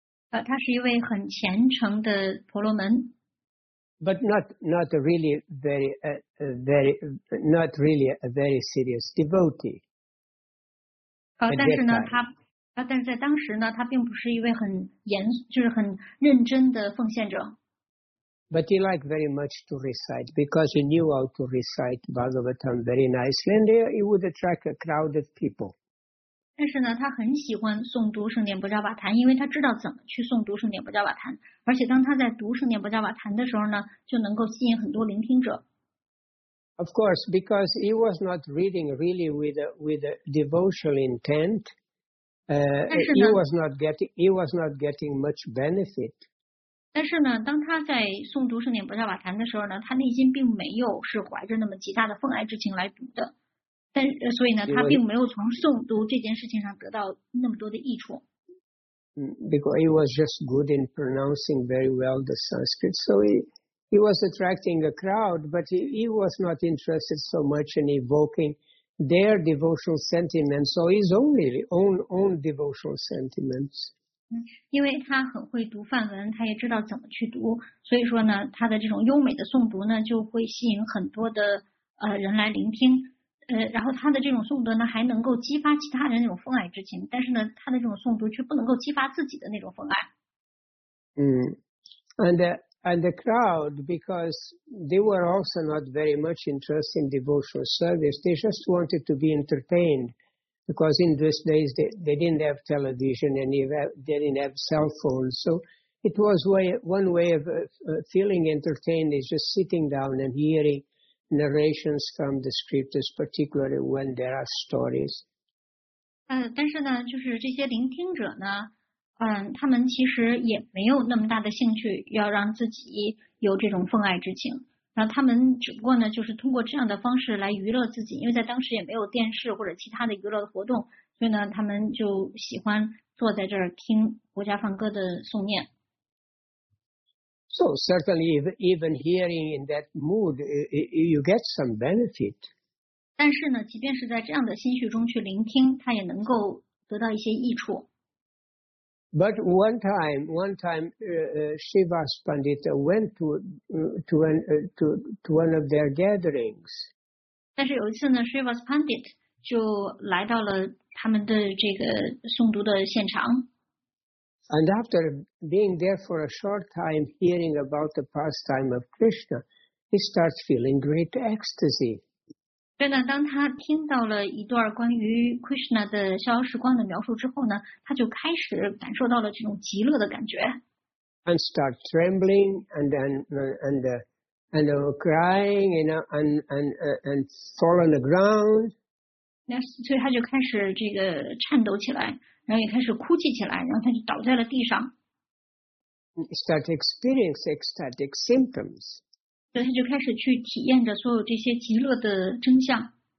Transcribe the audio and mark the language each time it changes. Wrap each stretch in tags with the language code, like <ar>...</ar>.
<zh>他是一位很虔诚的婆罗门。</zh> <en>But not really a very serious devotee.</en> <zh>但是在当时呢，他并不是一位很严，就是很认真的奉献者。</zh> <en>But he liked very much to recite because he knew how to recite Bhagavatam very nicely, and he would attract a crowd of people.</en> <zh>但是呢，他很喜欢诵读圣典布加瓦坛，因为他知道怎么去诵读圣典布加瓦坛，而且当他在读圣典布加瓦坛的时候呢，就能够吸引很多聆听者。</zh> <en>Of course, because he was not reading really with a devotional intent, he was not getting much benefit.</en> <zh>但是呢，当他在诵读圣典博加瓦坛的时候呢，他内心并没有是怀着那么极大的奉爱之情来读的。但所以呢，他并没有从诵读这件事情上得到那么多的益处。</zh> <en>Because he was just good in pronouncing very well the Sanskrit, so He was attracting a crowd, but he was not interested so much in evoking their devotional sentiments, so his own devotional sentiments.</en> <zh>因为他很会读梵文，他也知道怎么去读，所以说呢，他的这种优美的诵读呢，就会吸引很多的人来聆听。然后他的这种诵读呢，还能够激发其他人那种奉爱之情，但是呢，他的这种诵读却不能够激发自己的那种奉爱。</zh> <en>And the crowd, because they were also not very much interested in devotional service, they just wanted to be entertained. Because in those days, they didn't have television and they didn't have cell phones. So it was one way of feeling entertained is just sitting down and hearing narrations from the scriptures, particularly when there are stories.</en> <zh>但是呢，就是这些聆听者呢，他们其实也没有那么大的兴趣要让自己有这种奉爱之情，那他们只不过呢就是通过这样的方式来娱乐自己，因为在当时也没有电视或者其他的娱乐活动，所以呢他们就喜欢坐在这儿听国家梵歌的诵念。</zh> <en>So certainly even hearing in that mood you get some benefit.</en> <zh>但是呢即便是在这样的心绪中去聆听，他也能够得到一些益处。</zh> <en>But one time, Shivas Pandita went to one of their gatherings.</en> <zh>但是有一次呢 ，Shivas Pandit 就来到了他们的这个诵读的现场。</zh> <en>And after being there for a short time, hearing about the pastime of Krishna, he starts feeling great ecstasy.</en> <zh>对呢，当他听到了一段关于 Krishna 的逍遥时光的描述之后呢，他就开始感受到了这种极乐的感觉。</zh> <en>And start trembling and crying, you know, and fall on the ground.</en> <zh>那所以他就开始这个颤抖起来，然后也开始哭泣起来，然后他就倒在了地上。</zh> <en>Start experience ecstatic symptoms.</en> <zh>所以他就开始去体验着所有这些极乐的真相。</zh>